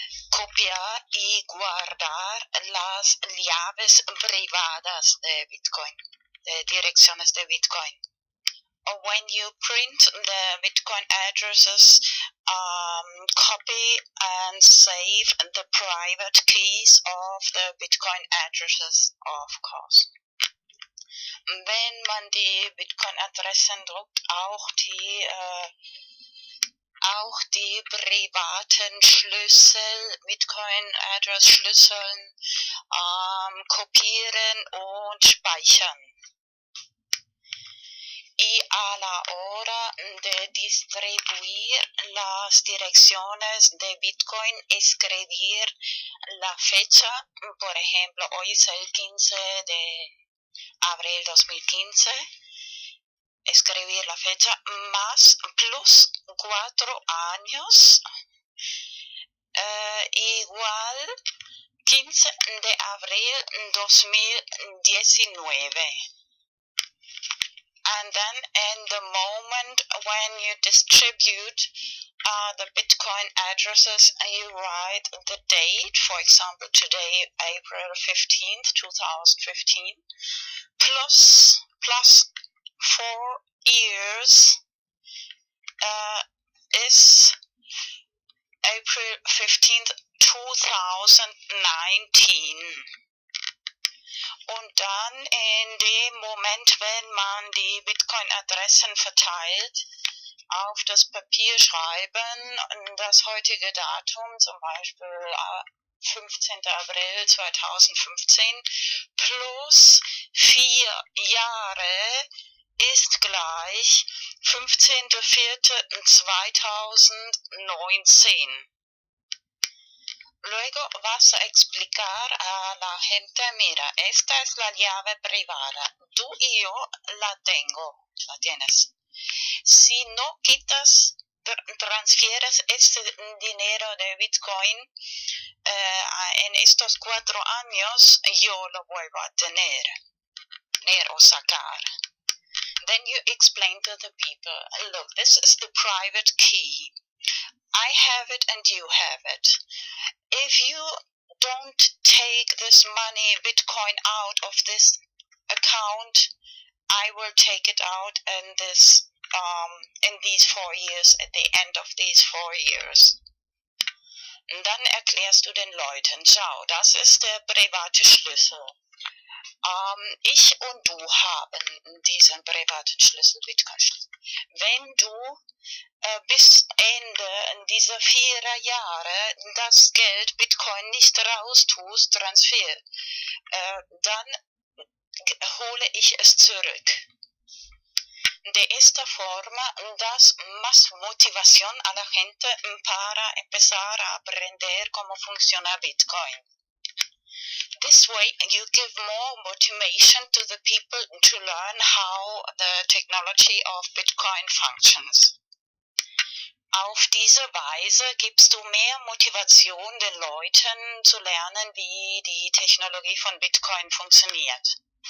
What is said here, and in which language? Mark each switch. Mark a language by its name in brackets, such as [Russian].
[Spanish] copiar y guardar las llaves privadas de Bitcoin, de direcciones de Bitcoin. [English] When you print the Bitcoin addresses, copy and save the private keys of the Bitcoin addresses, of course. [German] Wenn man die Bitcoin-Adressen druckt, auch die privaten Schlüssel, Bitcoin-Address-Schlüsseln, kopieren und speichern. [Spanish] Y a la hora de distribuir las direcciones de Bitcoin, escribir la fecha, por ejemplo, hoy es el 15 de abril 2015, escribir la fecha más plus 4 años, igual 15 de abril 2019. [English] And then in the moment when you distribute the Bitcoin addresses, you write the date, for example, today, April 15th, 2015, plus 4 years is April 15th, 2019. [German] Und dann in dem Moment, wenn man die Bitcoin-Adressen verteilt, auf das Papier schreiben, das heutige Datum, zum Beispiel 15. April 2015, plus 4 Jahre ist gleich 15.04.2019. [Spanish] Luego vas a explicar a la gente, mira, esta es la llave privada. Tú y yo la tengo, la tienes. Si no quitas, transfieres ese dinero de Bitcoin en estos 4 años, yo lo vuelvo a tener o sacar. [English] Then you explain to the people, look, this is the private key. I have it and you have it. If you don't take this money, Bitcoin, out of this account, I will take it out in this in these 4 years, at the end of these 4 years. [German] Und dann erklärst du den Leuten, schau, das ist der private Schlüssel. Ich und du haben diesen privaten Schlüssel, Bitcoin-Schlüssel. Wenn du bis Ende dieser 4 Jahre das Geld Bitcoin nicht raustust, Transfer, dann hole ich es zurück. [Spanish] De esta forma das más motivación a la gente para empezar a aprender cómo funciona Bitcoin. [English] This way you give more motivation to the people to learn how the technology of Bitcoin functions. [German] Auf diese Weise gibst du mehr Motivation den Leuten zu lernen, wie die Technologie von Bitcoin funktioniert.